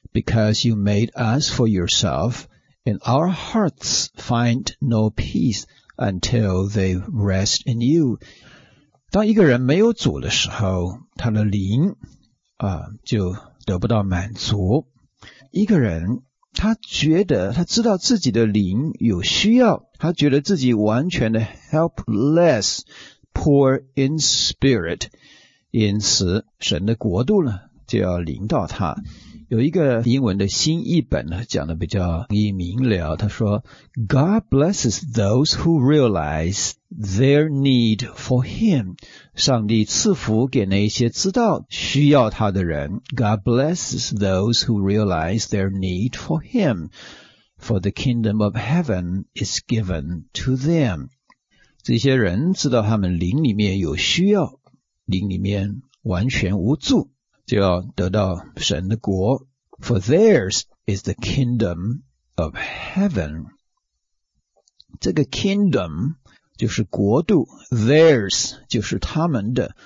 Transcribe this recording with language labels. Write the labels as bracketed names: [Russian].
[English] Because you made us for yourself and our hearts find no peace until they rest in you。 [Chinese] 当一个人没有主的时候，他的灵就得不到满足。一个人他觉得他知道自己的灵有需要，他觉得自己完全的 [English] helpless， poor in spirit， [Chinese] 因此神的国度呢就要临到他。有一个英文的新译本呢，讲的比较易明了，他说 [English] God blesses those who realize their need for him， [Chinese] 上帝赐福给那些知道需要他的人。 [English] God blesses those who realize their need for him， for the kingdom of heaven is given to them。 [Chinese] 这些人知道他们灵里面有需要，灵里面完全无助，就要得到神的国。 [English] For theirs is the kingdom of heaven。 [Chinese] 这个 kingdom 就是国度， theirs 就是他们的。